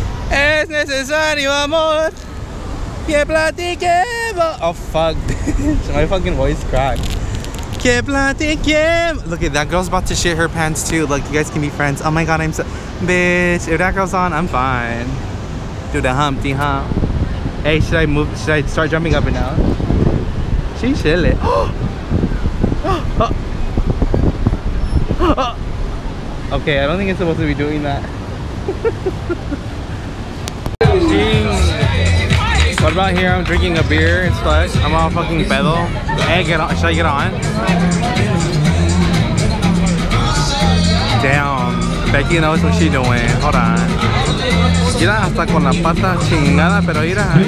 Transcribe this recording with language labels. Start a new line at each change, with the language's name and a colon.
Spanish: es necesario amor que platiquemos.
English: Oh fuck, bitch. My fucking voice cracked.
Spanish: Que platiquemos.
English: Look at that girl's about to shit her pants too. Like, you guys can be friends. Oh my god, I'm so, bitch, if that girl's on, I'm fine. Do the humpty hump. Hey, should I move, should I start jumping up and down? She's chilly. Okay, I don't think it's supposed to be doing that. What about here? I'm drinking a beer and stuff. I'm on fucking pedal. Hey, get on. Should I get on? Damn. Becky knows what she's doing. Hold on.
Spanish: Mira, hasta con la pata chingada, pero mira.